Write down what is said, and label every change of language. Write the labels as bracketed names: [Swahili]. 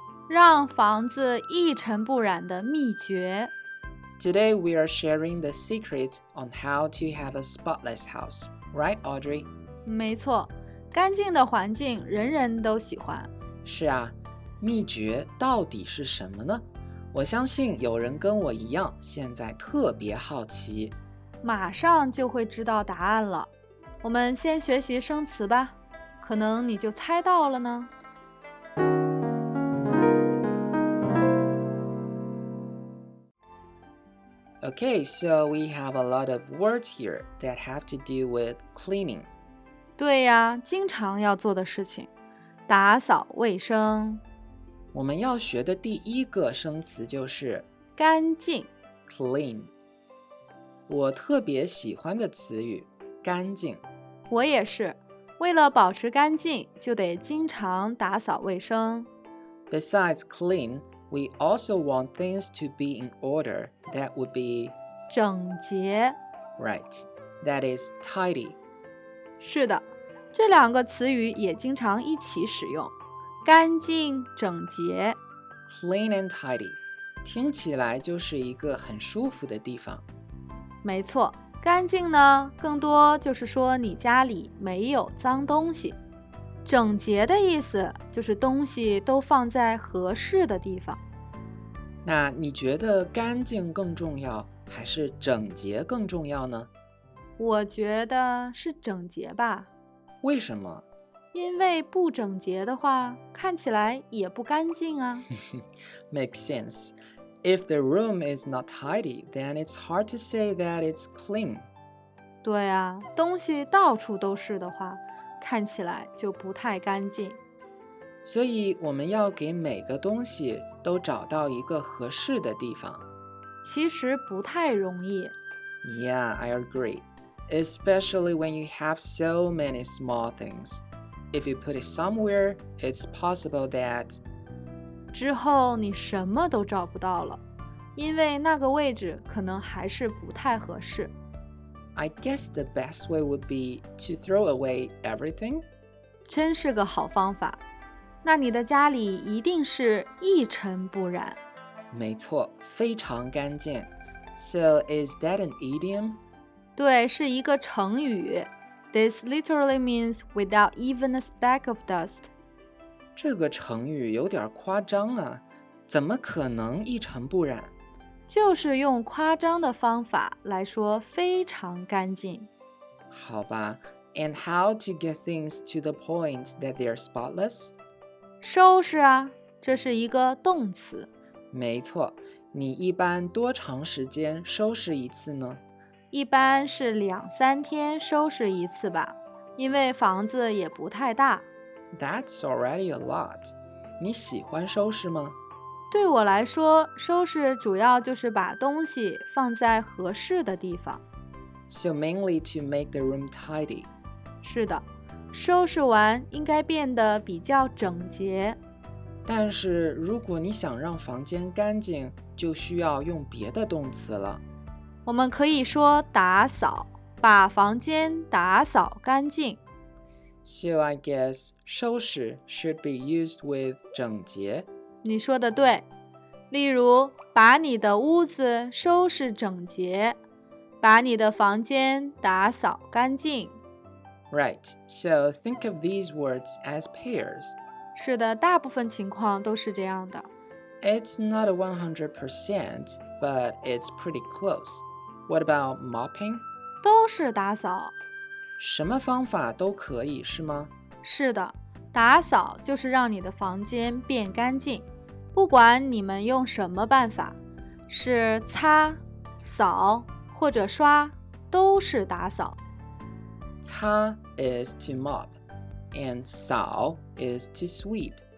[Chinese] 让房子一尘不染的秘诀。 [English] Today we are sharing the secret on how to have a spotless house, right Audrey? [Chinese] 没错，干净的环境人人都喜欢。是啊，秘诀到底是什么呢？我相信有人跟我一样，现在特别好奇，马上就会知道答案了。我们先学习生词吧，可能你就猜到了呢。 [English] Okay, so we have a lot of words here that have to do with cleaning. [Chinese] 对呀，经常要做的事情，打扫卫生。我们要学的第一个生词就是干净 [English] clean。 [Chinese] 我特别喜欢的词语干净。我也是，为了保持干净就得经常打扫卫生。 [English] Besides clean, we also want things to be in order that would be [Chinese] 整洁。 [English] Right, that is tidy. [Chinese] 是的，这两个词语也经常一起使用，干净整洁 [English] clean and tidy, [Chinese] 听起来就是一个很舒服的地方。没错，干净呢更多就是说你家里没有脏东西，整洁的意思就是东西都放在合适的地方。那你觉得干净更重要还是整洁更重要呢？我觉得是整洁吧。为什么？因为不整洁的话，看起来也不干净啊。 [English] Makes sense. If the room is not tidy, then it's hard to say that it's clean. [Chinese] 对啊，东西到处都是的话，看起来就不太干净。所以我们要给每个东西都找到一个合适的地方。其实不太容易。 [English] Yeah, I agree. Especially when you have so many small things. If you put it somewhere, it's possible that [Chinese] 之后你什么都找不到了，因为那个位置可能还是不太合适。 [English] I guess the best way would be to throw away everything. [Chinese] 真是个好方法，那你的家里一定是一尘不染。没错，非常干净。 [English] So is that an idiom? [Chinese] 对，是一个成语。 [English] This literally means without even a speck of dust. [Chinese] 这个成语有点夸张啊，怎么可能一尘不染？就是用夸张的方法来说非常干净。好吧， [English] and how to get things to the point that they are spotless? [Chinese] 收拾啊，这是一个动词。没错，你一般多长时间收拾一次呢？一般是两三天收拾一次吧，因为房子也不太大。 [English] That's already a lot. [Chinese] 你喜欢收拾吗？对我来说，收拾主要就是把东西放在合适的地方。 [English] So mainly to make the room tidy. [Chinese] 是的，收拾完应该变得比较整洁。但是如果你想让房间干净，就需要用别的动词了。我们可以说打扫，把房间打扫干净。 [English] So I guess 收拾 should be used with 整洁。 [Chinese] 你说的对，例如把你的屋子收拾整洁，把你的房间打扫干净。 [English] Right, so think of these words as pairs. [Chinese] 是的，大部分情况都是这样的。 [English] It's not 100%, but it's pretty close. What about mopping? [Chinese] 都是打扫。什么方法都可以，是吗？是的，打扫就是让你的房间变干净。不管你们用什么办法，是擦、扫或者刷，都是打扫。 [English] 擦 is to mop, and 扫 is to sweep.